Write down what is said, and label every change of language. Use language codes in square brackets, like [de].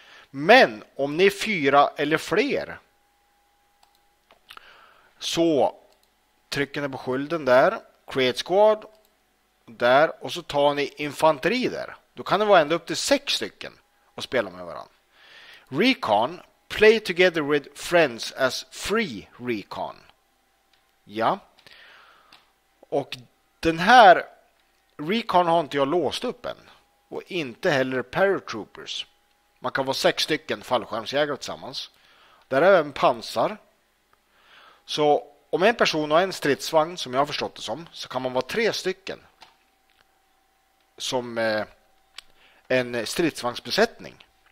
[sv] Men om ni är fyra eller fler... Så trycker ni på skulden där, create squad där, och så tar ni infanteri där. Då kan det vara ända upp till 6 stycken och spela med varandra. [en] Recon, play together with friends as free recon. [sv] Ja. Och den här recon har inte jag låst upp än. Och inte heller paratroopers. Man kan vara 6 stycken fallskärmsjägare tillsammans. Där är även pansar. Så om en person har en stridsvagn, som jag har förstått det som, så kan man vara 3 stycken som en stridsvagnsbesättning.